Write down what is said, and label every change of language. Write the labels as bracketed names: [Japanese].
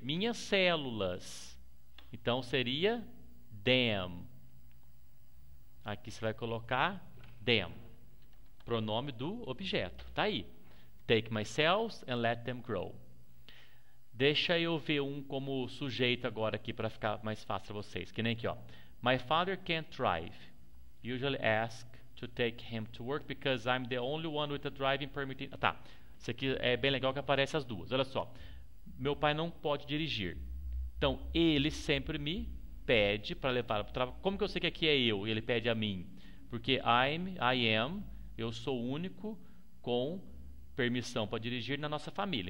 [Portuguese] Minhas células. Então seria them. Aqui você vai colocar them. Pronome do objeto. Tá aí. [English] Take my cells and let them grow. [Portuguese] Deixa eu ver um como sujeito agora aqui para ficar mais fácil para vocês. Que nem aqui, ó. [English] My father can't drive. Usually ask to take him to work because I'm the only one with a driving permit. [Portuguese] Tá. Isso aqui é bem legal que aparece as duas. Olha só. Meu pai não pode dirigir. Então, ele sempre me pede para levar para o trabalho. Como que eu sei que aqui é eu e ele pede a mim? Porque [English] I am, [Portuguese] eu sou o único com permissão para dirigir na nossa família.